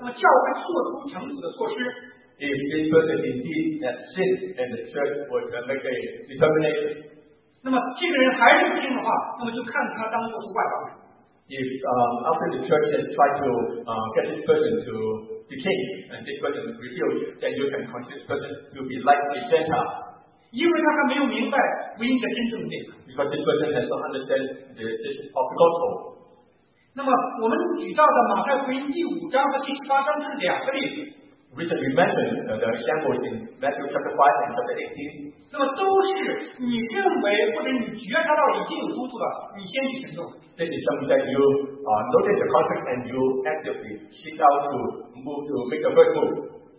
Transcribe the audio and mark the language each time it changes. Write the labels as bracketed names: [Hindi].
[Chinese] 那么假如这个人真的是犯罪了，那么教会做出惩处的措施。 [English] If this person indeed has sinned, then the church would make a determination. [Chinese] 那么这个人还是不信的话，那么就看他当做是外邦人。 [English] If after the church has tried to get this person to be king, and this person is revealed, then you can consider this person to be like a Gentile. [Chinese] 因为他还没有明白福音的真正内容。 [English] Because this person has not understood the essence of the gospel. [Chinese] 那么我们举到的马太福音第五章和第十八章是两个例子。 [English] Recently mentioned the examples in Matthew chapter 5 and chapter 18. [Chinese] 那么都是你认为或者你觉察到已经有督促了，你先去行动。 [English] This is something that you notice the conflict and you actively seek out to move to make a first move.